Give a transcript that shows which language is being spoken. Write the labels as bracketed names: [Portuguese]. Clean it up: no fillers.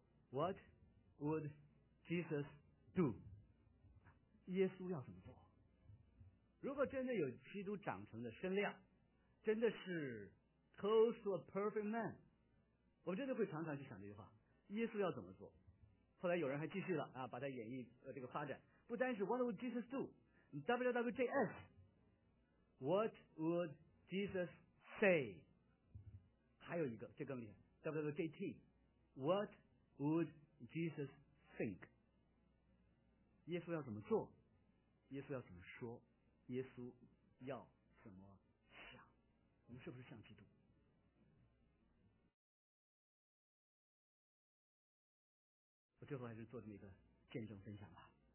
[English] What would Jesus do? [Chinese] 耶稣要怎么做？如果真的有基督长成的身量，真的是 [English] close to a perfect man， [Chinese] 我真的会常常去想这句话，耶稣要怎么做。后来有人还继续了啊，把它演绎这个发展，不单是 [English] What would Jesus do? WWJS What would Jesus say? [Chinese] 还有一个这更厉害， [English] WWJT What would Jesus think? [Chinese] 耶稣要怎么做，耶稣要怎么说，耶稣要怎么想，我们是不是像基督？我最后还是做这么一个见证分享吧。